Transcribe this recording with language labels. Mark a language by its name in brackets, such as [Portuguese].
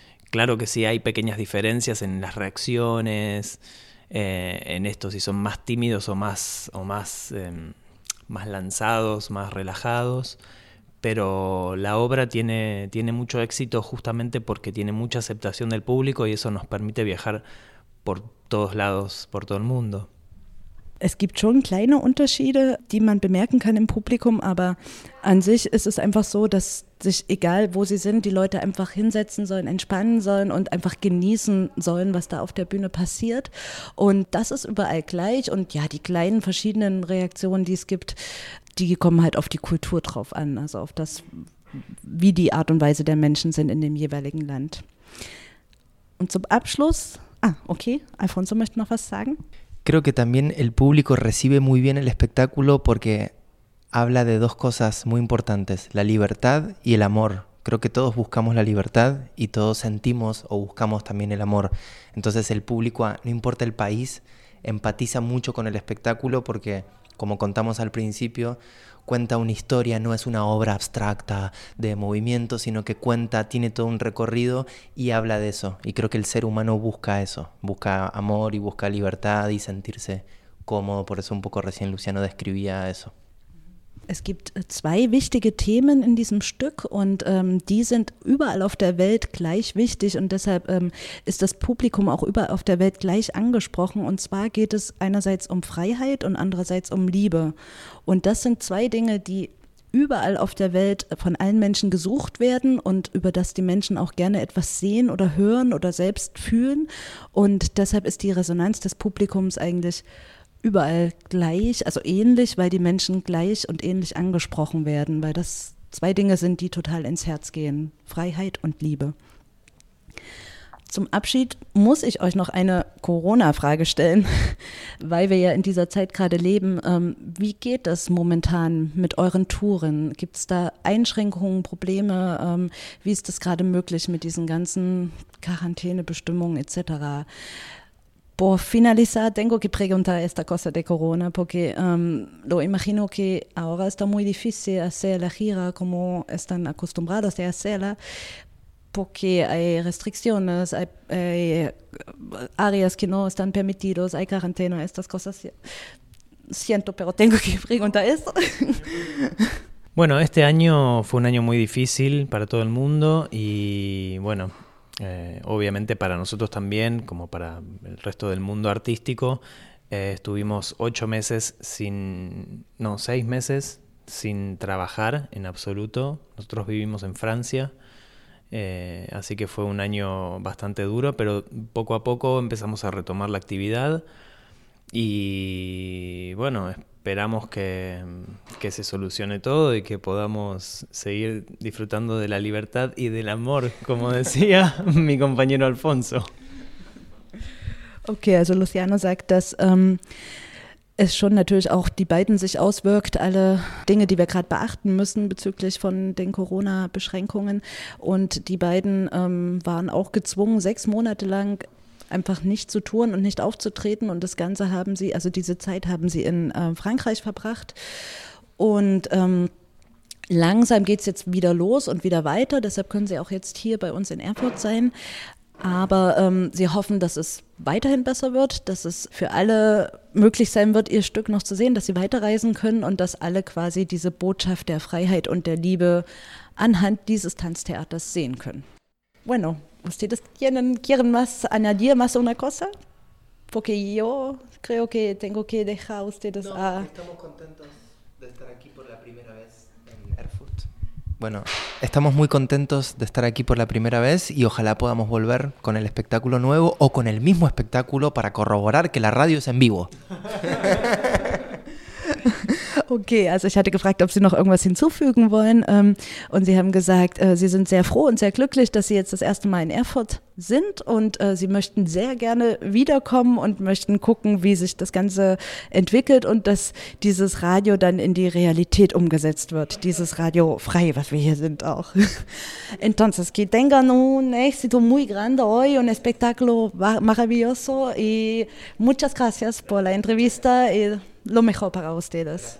[Spanish] Claro que sí hay pequeñas diferencias en las reacciones, en esto, si son más tímidos o más lanzados, más relajados. Pero la obra tiene mucho éxito justamente porque tiene mucha aceptación del público y eso nos permite viajar por todos lados, por todo el mundo. [German] Es gibt schon kleine Unterschiede, die man bemerken kann im Publikum, aber an sich ist es einfach so, dass sich, egal wo sie sind, die Leute einfach hinsetzen sollen, entspannen sollen und einfach genießen sollen, was da auf der Bühne passiert. Und das ist überall gleich und ja, die kleinen verschiedenen Reaktionen, die es gibt, die kommen halt auf die Kultur drauf an, also auf das, wie die Art und Weise der Menschen sind in dem jeweiligen Land. Und zum Abschluss, okay, Alfonso möchte noch was sagen. [Spanish] Creo que también el público recibe muy bien el espectáculo porque habla de dos cosas muy importantes, la libertad y el amor. Creo que todos buscamos la libertad y todos sentimos o buscamos también el amor. Entonces el público, no importa el país, empatiza mucho con el espectáculo porque, como contamos al principio, cuenta una historia, no es una obra abstracta de movimiento, sino que cuenta, tiene todo un recorrido y habla de eso. Y creo que el ser humano busca eso, busca amor y busca libertad y sentirse cómodo. Por eso un poco recién Luciano describía eso. [German] Es gibt zwei wichtige Themen in diesem Stück und die sind überall auf der Welt gleich wichtig und deshalb ist das Publikum auch überall auf der Welt gleich angesprochen. Und zwar geht es einerseits um Freiheit und andererseits um Liebe. Und das sind zwei Dinge, die überall auf der Welt von allen Menschen gesucht werden und über das die Menschen auch gerne etwas sehen oder hören oder selbst fühlen. Und deshalb ist die Resonanz des Publikums eigentlich überall gleich, also ähnlich, weil die Menschen gleich und ähnlich angesprochen werden, weil das zwei Dinge sind, die total ins Herz gehen: Freiheit und Liebe. Zum Abschied muss ich euch noch eine Corona-Frage stellen, weil wir ja in dieser Zeit gerade leben. Wie geht es momentan mit euren Touren? Gibt es da Einschränkungen, Probleme? Wie ist das gerade möglich mit diesen ganzen Quarantänebestimmungen etc.? [Spanish] Por finalizar, tengo que preguntar esta cosa de Corona, porque lo imagino que ahora está muy difícil hacer la gira como están acostumbrados a hacerla, porque hay restricciones, hay áreas que no están permitidas, hay cuarentena, estas cosas. Siento, pero tengo que preguntar eso. Bueno, este año fue un año muy difícil para todo el mundo y bueno, obviamente para nosotros también, como para el resto del mundo artístico, estuvimos seis meses sin trabajar en absoluto. Nosotros vivimos en Francia. Así que fue un año bastante duro, pero poco a poco empezamos a retomar la actividad y bueno, esperamos que se solucione todo y que podamos seguir disfrutando de la libertad y del amor, como decía mi compañero Alfonso. [German] Okay, also Luciano sagt, dass es schon natürlich auch die beiden sich auswirkt, alle Dinge, die wir gerade beachten müssen bezüglich von den Corona-Beschränkungen. Und die beiden waren auch gezwungen, 6 Monate lang einfach nicht zu touren und nicht aufzutreten. Und das Ganze haben sie, also diese Zeit haben sie in Frankreich verbracht. Und langsam geht es jetzt wieder los und wieder weiter. Deshalb können sie auch jetzt hier bei uns in Erfurt sein. Aber sie hoffen, dass es weiterhin besser wird, dass es für alle möglich sein wird, ihr Stück noch zu sehen, dass sie weiterreisen können und dass alle quasi diese Botschaft der Freiheit und der Liebe anhand dieses Tanztheaters sehen können. [Spanish] Bueno, ustedes quieren más añadir más una cosa? Porque yo creo que tengo que dejar ustedes a... No, estamos contentos de estar aquí por la primera vez en Erfurt. Bueno, estamos muy contentos de estar aquí por la primera vez y ojalá podamos volver con el espectáculo nuevo o con el mismo espectáculo para corroborar que la radio es en vivo. [German] Okay, also ich hatte gefragt, ob Sie noch irgendwas hinzufügen wollen und Sie haben gesagt, Sie sind sehr froh und sehr glücklich, dass Sie jetzt das erste Mal in Erfurt sind und Sie möchten sehr gerne wiederkommen und möchten gucken, wie sich das Ganze entwickelt und dass dieses Radio dann in die Realität umgesetzt wird, dieses Radio frei, was wir hier sind auch. [Spanish] Entonces, que tengan un éxito muy grande hoy, un espectáculo maravilloso y muchas gracias por la entrevista y lo mejor para ustedes.